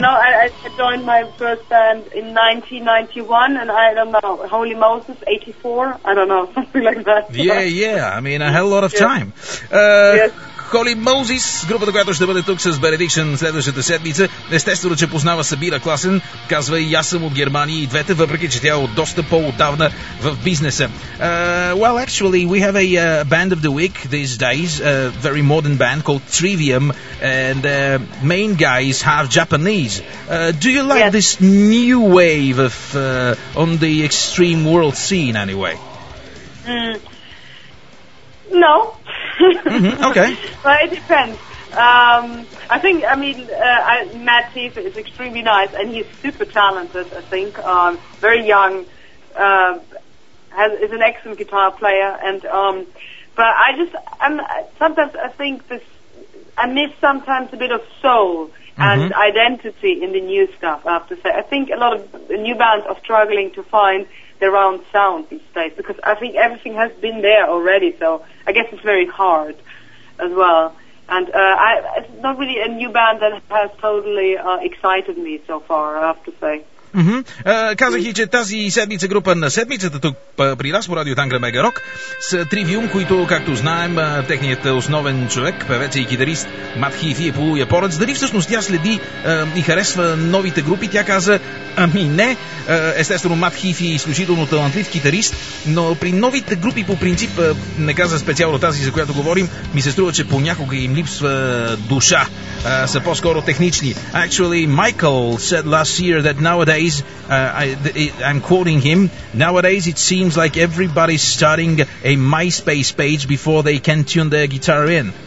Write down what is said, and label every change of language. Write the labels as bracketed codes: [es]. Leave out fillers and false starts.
[en] You know, I joined my first band in 1991, and I don't know, Holy Moses, 84? I don't know, something like that. Yeah, yeah. I mean, a hell lot of time. Yes. [bg] Holy Moses, групата, която ще бъде тук с Benediction следващата седмица. Естествено, че познава Сабира Класен, казва и аз съм от Германия и двете, въпреки че тя е от доста по-отдавна в бизнеса. [en] Well, actually, we have a band of the week these days, a very modern band called Trivium, and the main guy is half Japanese. Do you like this new wave of on the extreme world scene anyway? No. Mm-hmm. Okay. Well, it depends. I think, I mean, Matt Thief is extremely nice, and he's super talented, I think. Very young, is an excellent guitar player. And but I just, sometimes I think this, I miss sometimes a bit of soul and identity in the new stuff, I have to say. I think a lot of new bands are struggling to find their own sound these days, because I think everything has been there already, so I guess it's very hard as well. And it's not really a new band that has totally excited me so far, I have to say. Mm-hmm. [bg] Казах и, че тази седмица, група на седмицата тук при нас по Радио Тангра Мега Рок, с Trivium, които, както знаем, техният основен човек, певец и китарист Мат Хифи е полуяпорец. Дали всъщност тя следи и харесва новите групи? Тя каза, ами не. Естествено, Мат Хифи е изключително талантлив китарист, но при новите групи по принцип, не каза специално тази, за която говорим, ми се струва, че понякога им липсва душа. Са по-скоро технични. [en] Actually, Michael said last year that nowadays, I'm quoting him, nowadays it seems like everybody's starting a MySpace page before they can tune their guitar in.